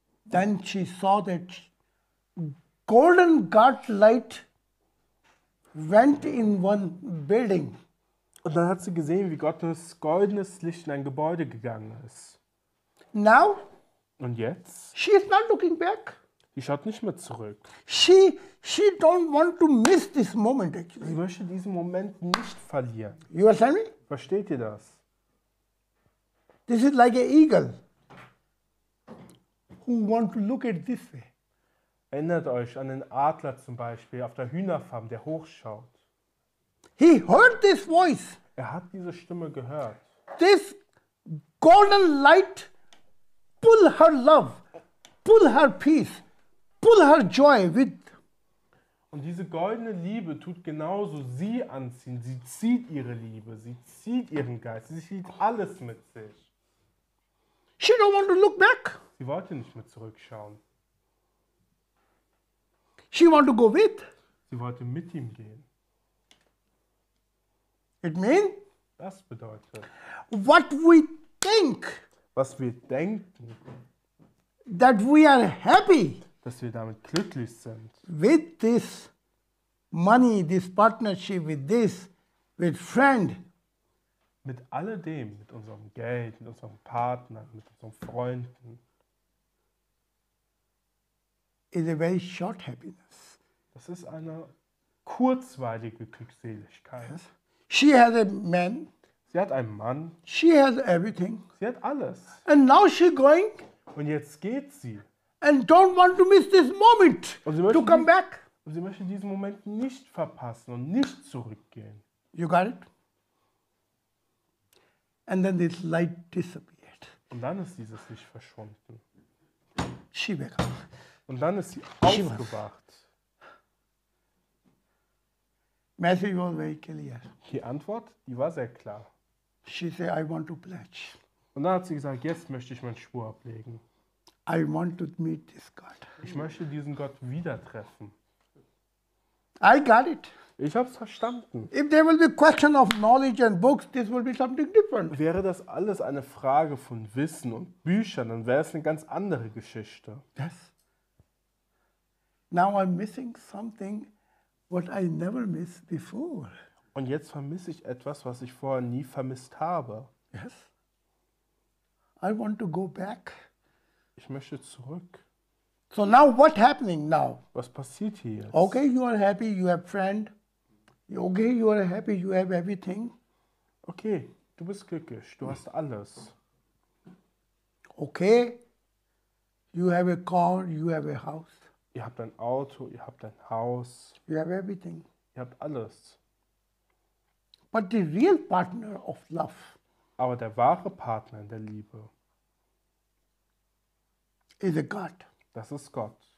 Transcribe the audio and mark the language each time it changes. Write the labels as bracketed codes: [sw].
[en] Then she saw that golden guard light went in one building. [de] Und dann hat sie gesehen, wie Gottes goldenes Licht in ein Gebäude gegangen ist. [en] Now. [de] Und jetzt? [en] She is not looking back. [de] Sie schaut nicht mehr zurück. [en] She don't want to miss this moment actually. [de] Sie möchte diesen Moment nicht verlieren. [en] You understand me? [de] Versteht ihr das? [en] This is like an eagle who want to look at this way. [de] Erinnert euch an den Adler zum Beispiel auf der Hühnerfarm, der hochschaut. [en] He heard this voice. [de] Er hat diese Stimme gehört. [en] This golden light pull her love, pull her peace, pull her joy with. [de] Und diese goldene Liebe tut genauso sie anziehen. Sie zieht ihre Liebe, sie zieht ihren Geist, sie zieht alles mit sich. [en] She don't want to look back. [de] Sie wollte nicht mehr zurückschauen. [en] She want to go with. [de] Sie wollte mit ihm gehen. [en] It mean? [de] Das bedeutet. [en] What we think. [de] Was wir denken. [en] That we are happy. [de] Dass wir damit glücklich sind. [en] With this money, this partnership, with this, with friend. [de] Mit alledem, mit unserem Geld, mit unserem Partner, mit unseren Freunden. [en] Is a very short happiness. [de] Das ist eine kurzweilige Glückseligkeit. [en] Yes. She has a man. [de] Sie hat einen Mann. [en] She has everything. [de] Sie hat alles. [en] And now she going. [de] Und jetzt geht sie. [en] And don't want to miss this moment to come back. [de] Und sie möchte diesen Moment nicht verpassen und nicht zurückgehen. [en] You got it? And then this light disappeared. [de] Und dann ist dieses Licht verschwunden. [en] She woke up. [de] Und dann ist sie aufgewacht. [en] Message was very clear. [de] Die Antwort, die war sehr klar. [en] She said, I want to pledge. [de] Und dann hat sie gesagt, jetzt möchte ich meinen Schwur ablegen. [en] I want to meet this God. [de] Ich möchte diesen Gott wieder treffen. [en] I got it. [de] Ich habe es verstanden. [en] If there will be question of knowledge and books, this will be something different. [de] Wäre das alles eine Frage von Wissen und Büchern, dann wäre es eine ganz andere Geschichte. [en] Yes. Now I'm missing something what I never missed before. [de] Und jetzt vermisse ich etwas, was ich vorher nie vermisst habe. [en] Yes. I want to go back. [de] Ich möchte zurück. [en] So now what happening now? [de] Was passiert hier jetzt? [en] Okay, you are happy, you have friend. Okay, you are happy, you have everything. [de] Okay, du bist glücklich, du hast alles. [en] Okay, you have a car, you have a house. [de] Ihr habt ein Auto, ihr habt ein Haus. [en] You have everything. [de] Ihr habt alles. [en] But the real partner of love. [de] Aber der wahre Partner in der Liebe. [en] Is a God. [de] Das ist Gott.